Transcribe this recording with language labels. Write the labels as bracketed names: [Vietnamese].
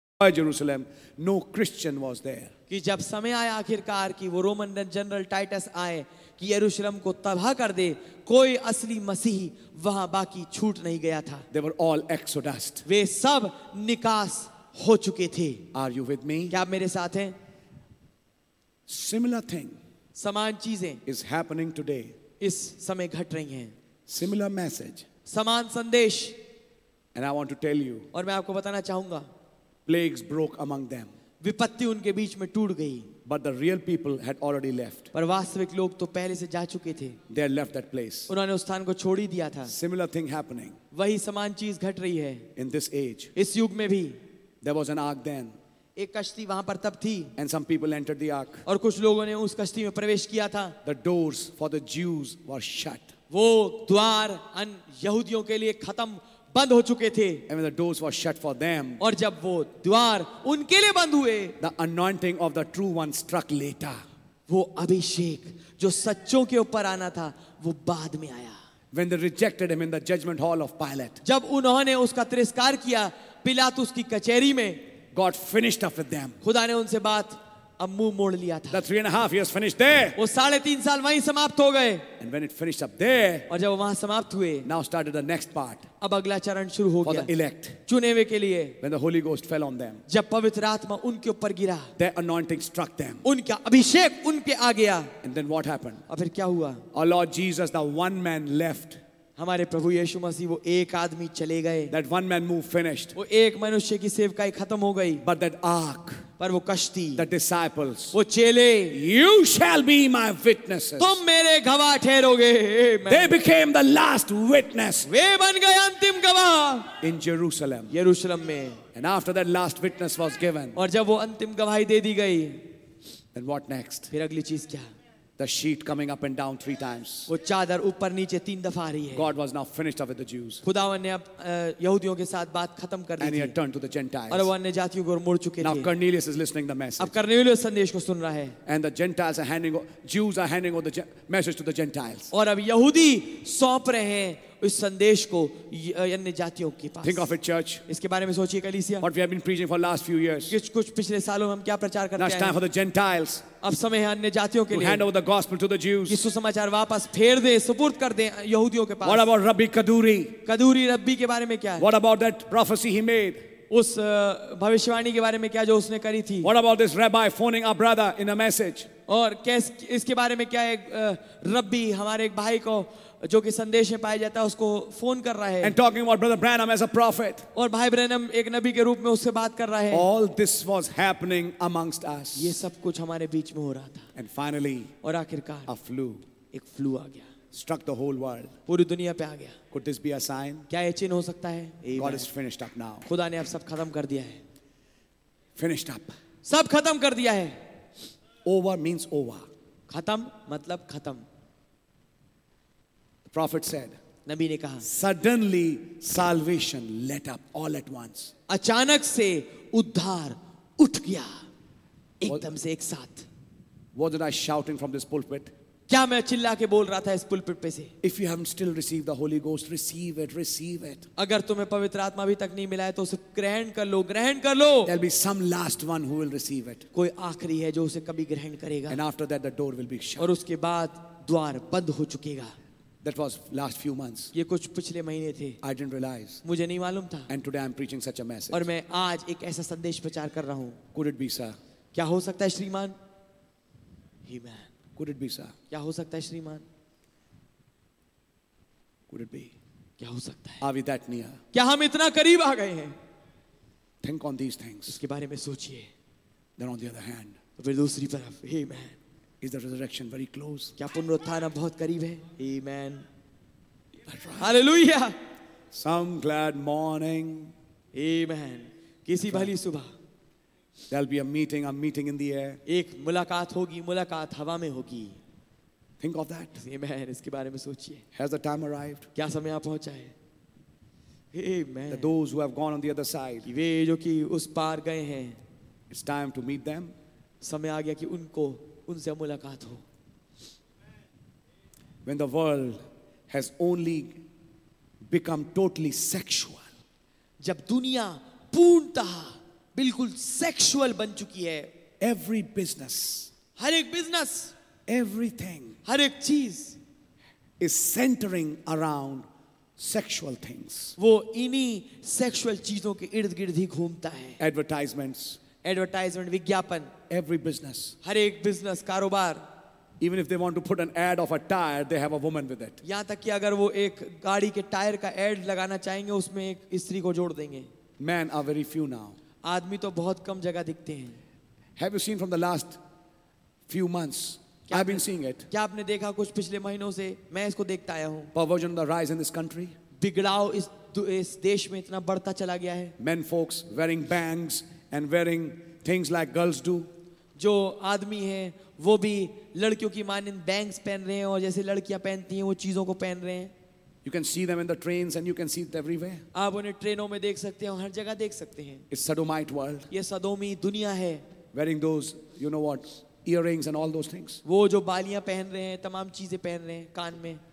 [English] Jerusalem, no Christian was there. [Hindi] कि जब समय आया आखिरकार कि वो रोमन जनरल टाइटस आए कि यरूशलम को तबाह कर दे, कोई असली मसीही वहां बाकी छूट नहीं गया था. [English] They were all exodus. [Hindi] वे सब निकास हो चुके थे. [English] Are you with me? [Hindi] क्या मेरे साथ हैं? [English] Similar thing. [Hindi] समान चीजें. [English] Is happening today. [Hindi] इस समय घट रही हैं. [English] Similar message. [Hindi] समान संदेश. [English] And I want to tell you. [Hindi] और मैं आपको बताना चाहूंगा. [English] Plagues broke among them. [Hindi] विपत्ति उनके बीच में टूट गई. [English] But the real people had already left. [Hindi] पर वास्तविक लोग तो पहले से जा चुके थे. [English] They had left that place. [Hindi] उन्होंने उस स्थान को छोड़ ही दिया था. [English] Similar thing happening. [Hindi] वही समान चीज घट रही है. [English] In this age. [Hindi] इस युग में भी. [English] There was an ark then. [Hindi] एक कश्ती वहां पर तब थी. [English] And some people entered the ark. [Hindi] और कुछ लोगों ने उस कश्ती में प्रवेश किया था. [English] The doors for the Jews were shut. [Hindi] वो द्वार अन यहूदियों के लिए खत्म बंद हो चुके थे [English] and when the doors were shut for them, [Hindi] और जब वो द्वार उनके लिए बंद हुए [English] the anointing of the true one struck later. [Hindi] वो अभिषेक जो सच्चों के ऊपर आना था वो बाद में आया [English] when they rejected him in the judgment hall of Pilate. [Hindi] जब उन्होंने उसका तिरस्कार किया पिलातुस की कचहरी में [English] God finished up with them. [Hindi] खुदा ने उनसे बात अब मुंह मोड़ लिया था [English] the 3.5 years finished there. [Hindi] वो 3.5 साल वहीं समाप्त हो गए [English] and when it finished up there, [Hindi] और जब वो वहां समाप्त हुए [English] now started the next part. [Hindi] अब अगला चरण शुरू हो गया [English] for the elect. [Hindi] चुने हुए के लिए [English] when the Holy Ghost fell on them. [Hindi] जब पवित्र आत्मा उनके ऊपर गिरा [English] their anointing struck them. [Hindi] उनका अभिषेक उनके आ गया [English] and then what happened? [Hindi] और फिर क्या हुआ [English] our Lord Jesus the one man left. [Hindi] हमारे प्रभु यीशु मसीह वो एक आदमी चले गए [English] that one man move finished. [Hindi] वो एक मनुष्य की सेवकाई खत्म हो गई [English] but that ark [Hindi] पर वो कश्ती [English] the disciples [Hindi] वो चेले [English] you shall be my witnesses [Hindi] तुम मेरे गवाह ठहरोगे [English] they became the last witness [Hindi] वे बन गए अंतिम गवाह [English] in Jerusalem [Hindi] यरूशलेम में [English] and after that last witness was given [Hindi] और जब वो अंतिम गवाही दे दी गई [English] then what next [Hindi] फिर अगली चीज क्या [English] The sheet coming up and down 3 times. [Hindi] वो चादर ऊपर नीचे 3 दफा आ रही है. [English] God was now finished up with the Jews. [Hindi] खुदावन ने अब यहूदियों के साथ बात खत्म कर दी. [English] And he had turned to the Gentiles. [Hindi] और वो अन्य जातियों को मुड़ चुके थे. [English] Now Cornelius is listening the message. [Hindi] अब कर्नेलियस संदेश को सुन रहा है. [English] And the Gentiles are handing, Jews are handing over the message to the Gentiles. [Hindi] और अब यहूदी सौंप रहे हैं उस संदेश को अन्य जातियों के पास. [English] Think of it, church. [Hindi] इसके बारे में सोचिए कलीसिया. [English] What we have been preaching for last few years. [Hindi] कुछ पिछले सालों में हम क्या प्रचार करते हैं. [English] Now it's time for the Gentiles. [Hindi] अब समय है अन्य जातियों के लिए [English] hand over the gospel to the Jews. [Hindi] यीशु समाचार वापस फेर दे सुपुर्द कर दे यहूदियों के पास. [English] What about Rabbi Kaduri? [Hindi] कदूरी रब्बी के बारे में क्या? [English] What about that prophecy he made? [Hindi] उस भविष्यवाणी के बारे में क्या जो उसने करी थी? [English] What about this rabbi phoning our brother in a message? [Hindi] और इसके बारे में क्या एक रब्बी हमारे एक भाई को जो कि संदेश में पाया जाता है उसको फोन कर रहा है [English] and talking about brother Branham as a prophet. [Hindi] और भाई ब्रैनम एक नबी के रूप में उससे बात कर रहा है [English] All this was happening amongst us. [Hindi] ये सब कुछ हमारे बीच में हो रहा था [English] and finally, [Hindi] और आखिरकार [English] a flu. [Hindi] एक फ्लू आ गया [English] struck the whole world. [Hindi] पूरी दुनिया पे आ गया [English] Could this be a sign? [Hindi] क्या ये चिन्ह हो सकता है [English] God is finished up now. [Hindi] खुदा ने अब सब खत्म कर दिया है [English] finished up. [Hindi] सब खत्म कर दिया है [English] over means over. [Hindi] खत्म मतलब खत्म [English] Prophet said, [Hindi] नबी ने कहा, [English] Suddenly salvation lit up all at once. [Hindi] अचानक से उद्धार उठ गया, एकदम से एक साथ. [English] What did I shouting from this pulpit? [Hindi] क्या मैं चिल्ला के बोल रहा था इस पुलपिट पे से? [English] If you haven't still received the Holy Ghost, receive it, receive it. [Hindi] अगर तुम्हें पवित्र आत्मा अभी तक नहीं मिला है तो उसे ग्रहण कर लो, ग्रहण कर लो. [English] There'll be some last one who will receive it. [Hindi] कोई आखिरी है जो उसे कभी ग्रहण करेगा. [English] And after that, the door will be shut. [Hindi] और उसके बाद द्वार बंद हो चुकेगा. [English] That was last few months. [Hindi] ये कुछ पिछले महीने थे. [English] I didn't realize. [Hindi] मुझे नहीं मालूम था. [English] And today I'm preaching such a message. [Hindi] और मैं आज एक ऐसा संदेश प्रचार कर रहा हूँ. [English] Could it be, sir? [Hindi] क्या हो सकता है श्रीमान? [English] Amen. Could it be, sir? [Hindi] क्या हो सकता है श्रीमान? [English] Could it be? [Hindi] क्या हो सकता है? [English] Are we that near? [Hindi] क्या हम इतना करीब आ गए हैं? [English] Think on these things. [Hindi] इसके बारे में सोचिए. [English] Then on the other hand. [Hindi] फिर दूसरी तरफ. [English] Amen. Is the resurrection very close? [Hindi] क्या पुनरुत्थान बहुत करीब है? [English] Amen. That's right. Hallelujah. Some glad morning. Amen. [Hindi] किसी भली सुबह. [English] There'll be a meeting in the air. [Hindi] एक मुलाकात होगी, मुलाकात हवा में होगी. [English] Think of that. Amen. [Hindi] इसके बारे में सोचिए. [English] Has the time arrived? [Hindi] क्या समय आ पहुंचा है? [English] Amen. Those who have gone on the other side. [Hindi] वे जो कि उस पार गए हैं. [English] It's time to meet them. [Hindi] समय आ गया कि उनको उनसे मुलाकात हो [English] When the world has only become totally sexual. [Hindi] जब दुनिया पूर्णतः बिल्कुल सेक्सुअल बन चुकी है [English] every business [Hindi] हर एक बिजनेस [English] everything [Hindi] हर एक चीज [English] is centering around sexual things [Hindi] वो इन्हीं सेक्सुअल चीजों के इर्द गिर्द ही घूमता है [English] advertisements [Hindi] एडवर्टाइजमेंट विज्ञापन [English] Every business. [Hindi] हर एक business कारोबार. [English] Even if they want to put an ad of a tire, they have a woman with it. [Hindi] यहाँ तक कि अगर वो एक गाड़ी के टायर का ad लगाना चाहेंगे, उसमें एक स्त्री को जोड़ देंगे. [English] Men are very few now. [Hindi] आदमी तो बहुत कम जगह दिखते हैं. [English] Have you seen from the last few months? I've been seeing it. [Hindi] क्या आपने देखा कुछ पिछले महीनों से? मैं इसको देखता आया हूँ. [English] Perversion the rise in this country. [Hindi] बिगड़ाव इस देश में इतना बढ़ता चला गया है. [English] Men folks wearing bangs and wearing things like girls do. [Hindi] जो आदमी हैं वो भी लड़कियों की मानिंद बैंग्स पहन रहे हैं और जैसे लड़कियां पहनती हैं वो चीजों को पहन रहे हैं [English] You can see them in the trains and you can see it everywhere. [Hindi] आप उन्हें ट्रेनों में देख सकते हैं और हर जगह देख सकते हैं. [English] It's sodomite world. [Hindi] ये सदोमी दुनिया है. [English] Wearing those, you know what, earrings and all those things. [Hindi] वो जो बालियां पहन रहे हैं, तमाम चीजें पहन रहे हैं कान में.